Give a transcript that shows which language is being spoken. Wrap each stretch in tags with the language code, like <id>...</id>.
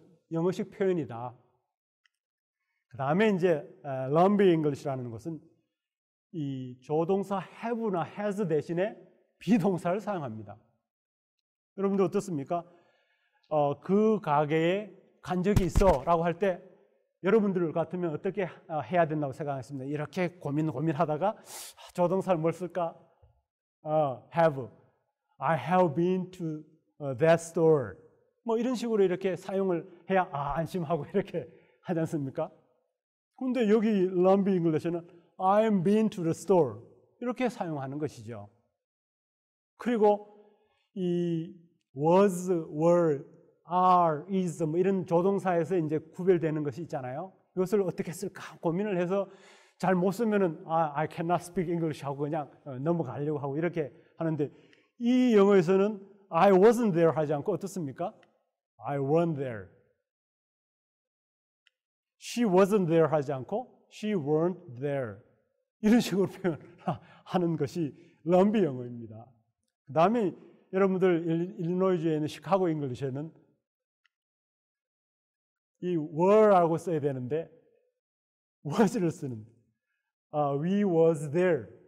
<ko>영어식 표현이다. 그 다음에 이제 lumbi English라는 것은 이 조동사 have나 has 대신에 비동사를 사용합니다. 여러분들 어떻습니까? 그 가게에 간 적이 있어 라고 할 때 여러분들 같으면 어떻게 해야 된다고 생각하십니까? 이렇게 고민하다가 조동사를 뭘 쓸까?</ko> <en>Have. I have been to that store.</en> <ko>뭐 이런 식으로 이렇게 사용을 해야 안심하고 이렇게 하지 않습니까? 근데 여기</ko> <en>Lumbee English는 I've been to the store.</en> <ko>이렇게 사용하는 것이죠. 그리고 이 was, were, are, is 뭐 이런 조동사에서 이제 구별되는 것이 있잖아요. 이것을 어떻게 쓸까 고민을 해서 잘 못 쓰면은</ko> <en>I cannot speak English</en> <ko>하고 그냥 넘어가려고 하고 이렇게 하는데 이 영어에서는</ko> <en>I wasn't there</en> <ko>하지 않고 어떻습니까?</ko> <en>I weren't there. She wasn't there</en> <ko>하지 않고</ko> <en>She weren't there.</en> <ko>이런 식으로 표현하는 것이 럼비 영어입니다. 그 다음에 여러분들 일리노이주에 있는 시카고 잉글리시에는 이 were라고 써야 되는데 was를 쓰는</ko> <en>we was there.</en>